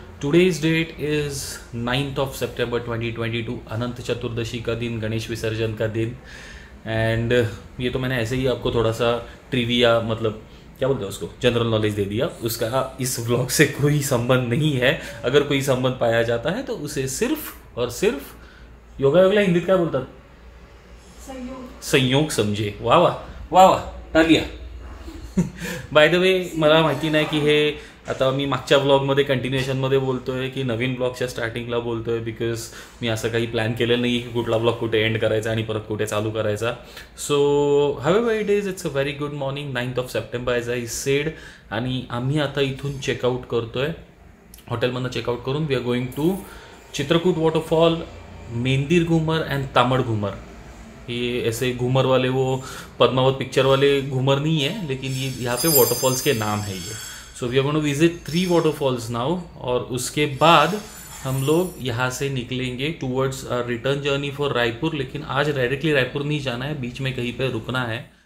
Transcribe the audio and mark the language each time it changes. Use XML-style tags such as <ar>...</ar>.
<en>today's date is 9th of September 2022,</en> <hi>Anant Chaturdashi का दिन, गणेश विसर्जन का दिन, एंड ये तो मैंने ऐसे ही आपको थोड़ा सा ट्रिविया, मतलब क्या बोलते हैं उसको, जनरल नॉलेज दे दिया, उसका इस व्लॉग से कोई संबंध नहीं है, अगर कोई संबंध पाया जाता है तो उसे सिर्फ और सिर्फ</hi> <mr>योगा योगला हिंदीत काय बोलतात? संयोग समजे. वा वा वा वा तालिया.</mr> <en>by the way</en> <mr>मला माहिती नाही की हे आता मी मागच्या ब्लॉगमध्ये कंटिन्युएशनमध्ये बोलतोय की नवीन ब्लॉगच्या स्टार्टिंगला बोलतोय, बिकॉज मी असं काही प्लॅन केलेलं नाही की कुठला ब्लॉग कुठे एंड करायचा आणि परत कुठे चालू करायचा.</mr> <en>So however it is, it's a very good morning, 9th of September as I said.</en> <mr>आणि आम्ही आता इथून चेकआउट करतोय, हॉटेलमधनं चेकआउट करून</mr> <en>we are going to Chitrakoot waterfall,</en> <mr>मेंदीर Ghoomar and तांबड घुमर.</mr> <hi>ये ऐसे घूमर वाले वो पद्मावत पिक्चर वाले घूमर नहीं है, लेकिन ये यहाँ पे वाटरफॉल्स के नाम है ये.</hi> <en>so we are going to visit 3 waterfalls now,</en> <hi>और उसके बाद हम लोग यहाँ से निकलेंगे</hi> <en>Towards return journey for Raipur.</en> <hi>लेकिन आज डायरेक्टली रायपुर नहीं जाना है, बीच में कहीं पर रुकना है.</hi>